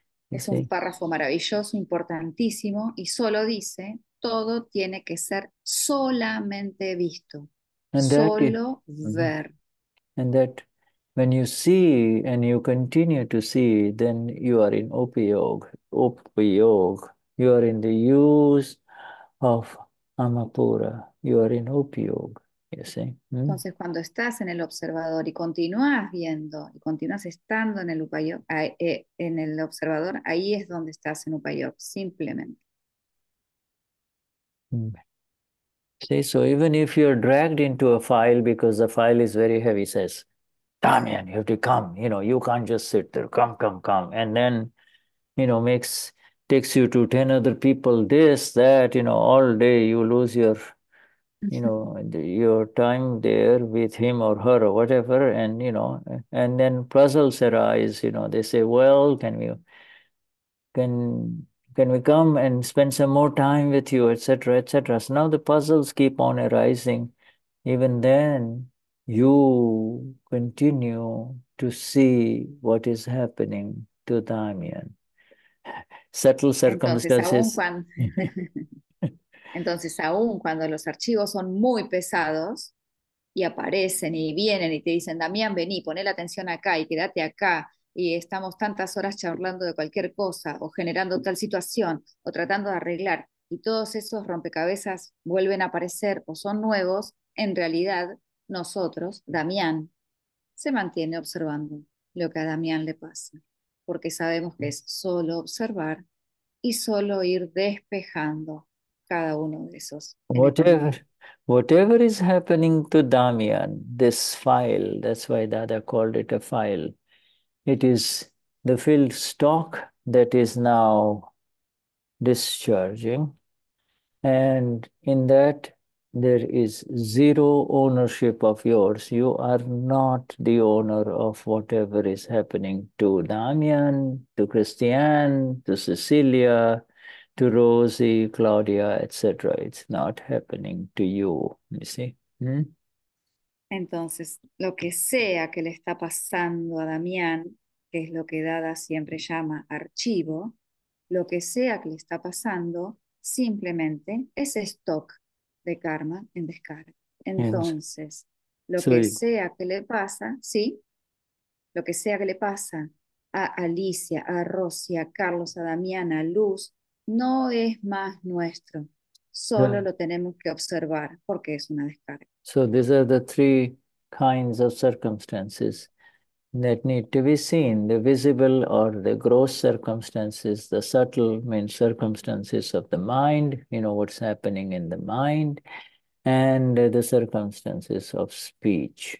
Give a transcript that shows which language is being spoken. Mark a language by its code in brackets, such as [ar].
[es] Es un párrafo maravilloso, importantísimo, y solo dice, todo tiene que ser solamente visto. Solo ver. [en] And that when you see and you continue to see, then you are in upayog. Upayog. You are in the use of amapura. You are in upayog. You see? [es] Entonces, cuando estás en el observador y continúas viendo, y continúas estando en el upayog, en el observador, ahí es donde estás en upayog, simplemente. [en] See, so even if you're dragged into a file because the file is very heavy, says, Damian, you have to come. You know, you can't just sit there. Come. And then, you know, takes you to 10 other people, this, that, you know, all day you lose your, you know, your time there with him or her or whatever. And, you know, and then puzzles arise, you know, they say, well, can we come and spend some more time with you, etc., etc. So now the puzzles keep on arising. Even then, you continue to see what is happening to Damian. Subtle circumstances. [es] Entonces, aún cuando los archivos son muy pesados y aparecen y vienen y te dicen, Damian, vení, poné la atención acá y quédate acá. Y estamos tantas horas charlando de cualquier cosa o generando tal situación o tratando de arreglar y todos esos rompecabezas vuelven a aparecer o son nuevos, en realidad nosotros, Damián, se mantiene observando lo que a Damián le pasa, porque sabemos que es solo observar y solo ir despejando cada uno de esos. [en] Whatever is happening to Damián, this file, that's why Dada called it a file. It is the filled stock that is now discharging. And in that, there is zero ownership of yours. You are not the owner of whatever is happening to Damian, to Christiane, to Cecilia, to Rosie, Claudia, etc. It's not happening to you, you see? [es] Entonces, lo que sea que le está pasando a Damian, que es lo que Dada siempre llama archivo, lo que sea que le está pasando, simplemente es stock de karma en descarga. Entonces, lo que sea que le pasa, sí, lo que sea que le pasa a Alicia, a Rosy, a Carlos, a Damián, a Luz, no es más nuestro. Solo lo tenemos que observar porque es una descarga. [en] So these are the three kinds of circumstances that need to be seen, the visible or the gross circumstances, the subtle means circumstances of the mind, you know, what's happening in the mind, and the circumstances of speech.